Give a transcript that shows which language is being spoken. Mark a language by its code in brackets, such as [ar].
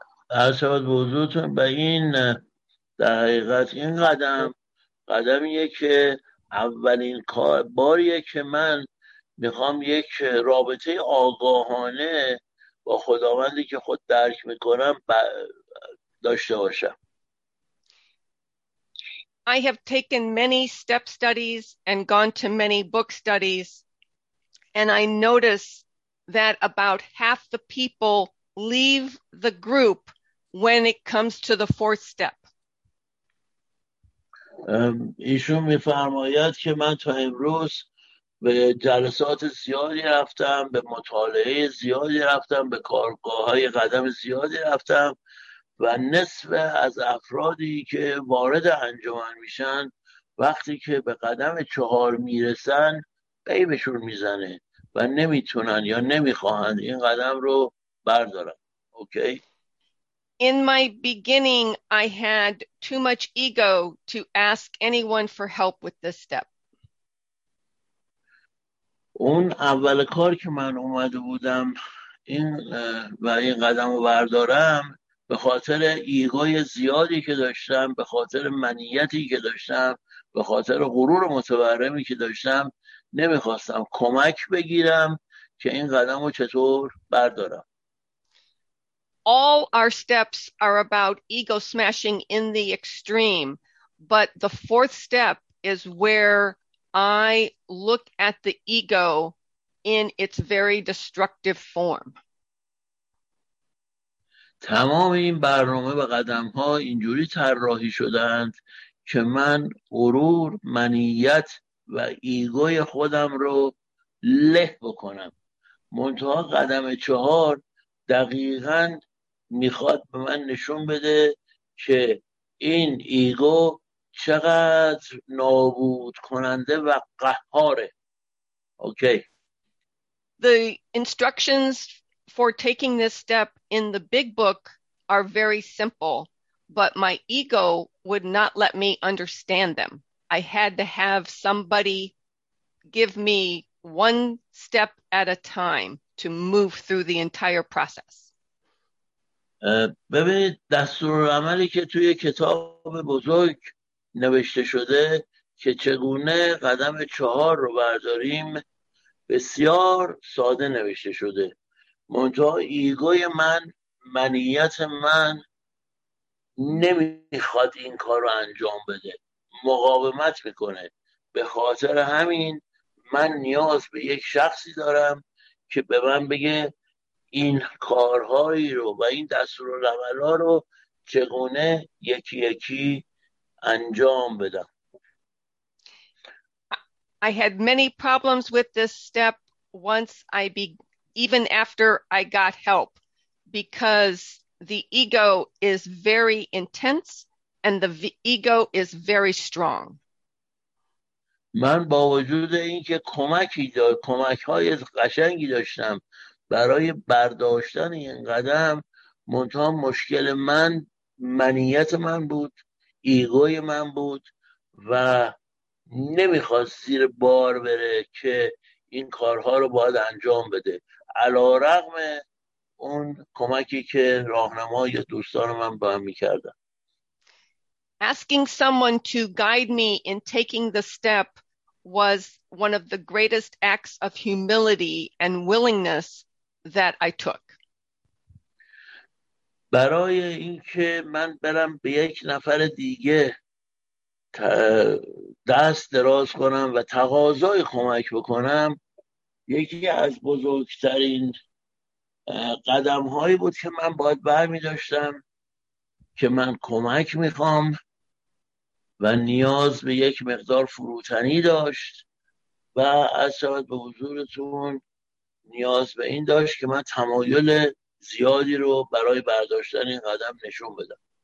[fa] عرض به حضورتون به این در حقیقت این قدمیه که اولین باریه که من میخوام یک رابطه آگاهانه با خداوندی که خود درک میکنم داشته باشم. [en] I have taken many step studies and gone to many book studies and I notice that about half the people leave the group when it comes to the fourth step. [fa] ایشون میفرماید که من تا امروز به جلسات زیادی رفتم، به مطالعه زیادی رفتم، به کارگاه‌های قدم زیادی رفتم و نصف از افرادی که وارد انجمن میشن وقتی که به قدم چهار میرسن غیبشون میزنه و نمیتونن یا نمیخواهند این قدم رو بردارن. اوکی؟ [en] In my beginning, I had too much ego to ask anyone for help with this step. [fa] اون اول کار که من اومده بودم این و این قدم رو بردارم به خاطر ایگوی زیادی که داشتم، به خاطر منیتی که داشتم، به خاطر غرور متورمی که داشتم نمیخواستم کمک بگیرم که این قدم رو چطور بردارم. [en] All our steps are about ego smashing in the extreme, but the fourth step is where I look at the ego in its very destructive form. [fa] تمام این برنامه و قدم‌ها اینجوری طراحی شدند که من غرور، منیت و ایگوی خودم رو له بکنم. منتها قدم چهار دقیقاً میخواد به من نشون بده که این ایگو چقدر نابود کننده و قهاره. اوکی. [en] The instructions for taking this step in the big book are very simple, but my ego would not let me understand them. I had to have somebody give me one step at a time to move through the entire process. [fa] ببینید دستور عملی که توی کتاب بزرگ نوشته شده که چگونه قدم چهار رو برداریم بسیار ساده نوشته شده، منتها ایگوی من، منیت من نمیخواد این کار رو انجام بده، مقاومت میکنه. به خاطر همین من نیاز به یک شخصی دارم که به من بگه این کارهایی رو و این دستور و عملها رو چگونه یکی یکی انجام بدم. [en] I had many problems with this step once I even after I got help because The ego is very intense and the ego is very strong. [fa] من با وجود اینکه کمک‌های قشنگی داشتم برای برداشتن این قدم، منتها مشکل من منیت من بود، ایگوی من بود و نمیخواست زیر بار بره که این کارها رو باید انجام بده، علی‌رغم اون کمکی که راهنمای دوستان من با هم میکردن. [en] Asking someone to guide me in taking the step was one of the greatest acts of humility and willingness that I took. [fa] برای اینکه من برم به یک نفر دیگه دست دراز کنم و تقاضای کمک بکنم، یکی از بزرگترین قدم‌هایی بود که من باید برمی‌داشتم که من کمک می‌خوام و نیاز به یک مقدار فروتنی داشت و از شاید به حضورتون نیاز به این داشت که من تمایل زیادی رو برای برداشتن این قدم نشون بدم.